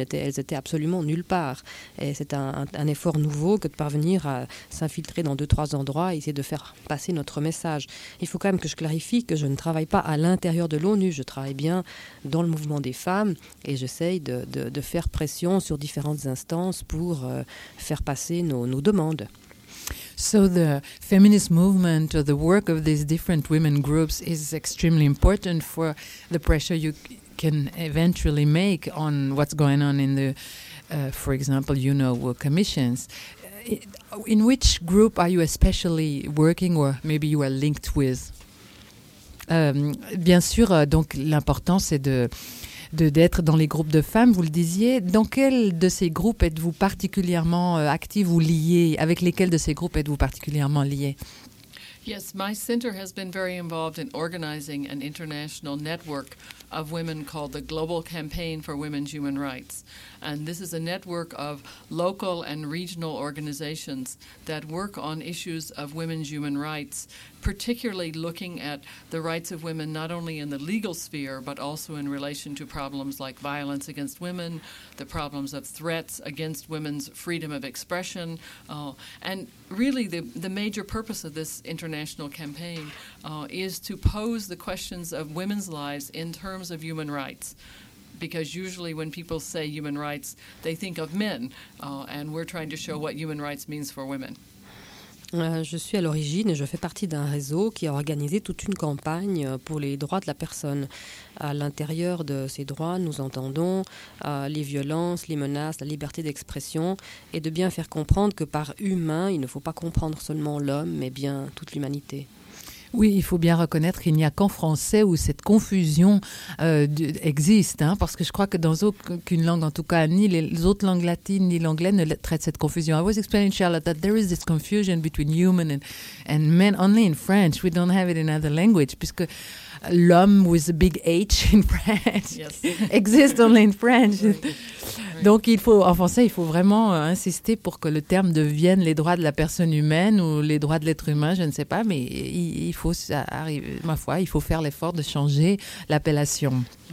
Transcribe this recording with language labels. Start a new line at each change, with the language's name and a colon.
French: Elles étaient absolument nulle part. Et c'est un effort nouveau que de parvenir à s'infiltrer dans deux, trois endroits et essayer de faire passer notre message. Il faut quand même que je clarifie que je ne travaille pas à l'intérieur de l'ONU. Je travaille bien dans le mouvement des femmes et j'essaye de faire pression sur différentes instances pour faire passer nos demandes.
English: So the feminist movement or the work of these different women groups is extremely important for the pressure you can eventually make on what's going on in the, for example, commissions. In which group are you especially working or maybe you are linked with?
French: Bien sûr, donc l'important c'est d'être dans les groupes de femmes, vous le disiez. Dans quel de ces groupes êtes-vous particulièrement active ou liée? Avec lesquels de ces groupes êtes-vous particulièrement liée?
English: Yes, my center has been very involved in organizing an international network of women called the Global Campaign for Women's Human Rights. And this is a network of local and regional organizations that work on issues of women's human rights, particularly looking at the rights of women not only in the legal sphere, but also in relation to problems like violence against women, the problems of threats against women's freedom of expression. And really, the major purpose of this international campaign is to pose the questions of women's lives in terms of human rights. Because usually when people say human rights, they think of men. And we're trying to show what human rights means for women.
French: Je suis à l'origine et je fais partie d'un réseau qui a organisé toute une campagne pour les droits de la personne. À l'intérieur de ces droits, nous entendons les violences, les menaces, la liberté d'expression et de bien faire comprendre que par humain, il ne faut pas comprendre seulement l'homme, mais bien toute l'humanité. Oui, il faut bien reconnaître qu'il n'y a qu'en français où cette confusion existe, hein, parce que je crois que dans aucune langue, en tout cas, ni les autres langues latines ni l'anglais ne traitent cette confusion.
English: I was explaining, Charlotte, that there is this confusion between human and men only in French. We don't have it in other languages,
French: puisque l'homme
English: with a big H in French exists only in French.
French: Donc, il faut vraiment insister pour que le terme devienne les droits de la personne humaine ou les droits de l'être humain, je ne sais pas, mais il faut faire l'effort de changer l'appellation.